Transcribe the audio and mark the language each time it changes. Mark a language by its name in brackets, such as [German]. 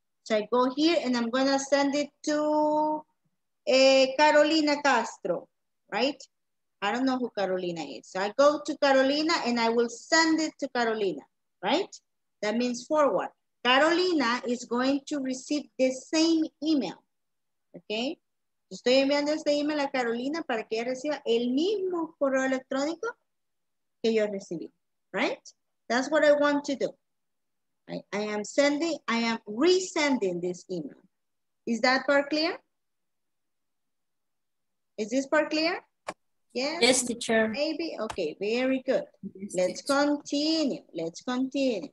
[English] So I go here and I'm gonna send it to Carolina Castro, right? I don't know who Carolina is. So I go to Carolina and I will send it to Carolina, right? That means forward. Carolina is going to receive the same email. Okay. [Spanish] Estoy enviando este email a Carolina para que ella reciba el mismo correo electrónico que yo recibí. [English] Right? That's what I want to do. I am sending, I am resending this email. Is that part clear? Is this part clear? Yes. Yes, teacher. Maybe. Okay, very good. Yes, let's teacher. Continue. Let's continue.